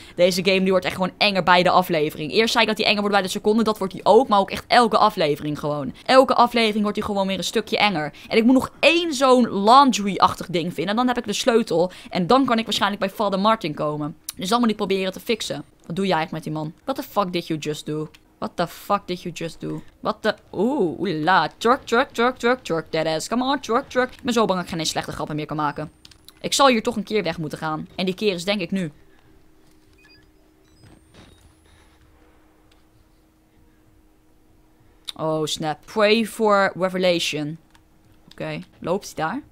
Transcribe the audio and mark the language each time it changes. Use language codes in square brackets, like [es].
[nl] Deze game die wordt echt gewoon enger bij de aflevering. Eerst zei ik dat hij enger wordt bij de seconde. Dat wordt hij ook. Maar ook echt elke aflevering gewoon. Elke aflevering wordt hij gewoon weer een stukje enger. En ik moet nog 1 zo'n laundry-achtig ding vinden. En dan heb ik de sleutel. En dan kan ik waarschijnlijk bij Father Martin komen. Dus dan moet ik proberen te fixen. Wat doe jij eigenlijk met die man? [en] What the fuck did you just do? What the fuck did you just do? What the... Oeh, oela. Truck, truck, truck, truck, truck. Deadass. Come on, truck, truck. [nl] Ik ben zo bang dat ik geen slechte grappen meer kan maken. Ik zal hier toch een keer weg moeten gaan. En die keer is denk ik nu. [en] Oh, snap. Pray for revelation. [nl] Oké, loopt hij daar?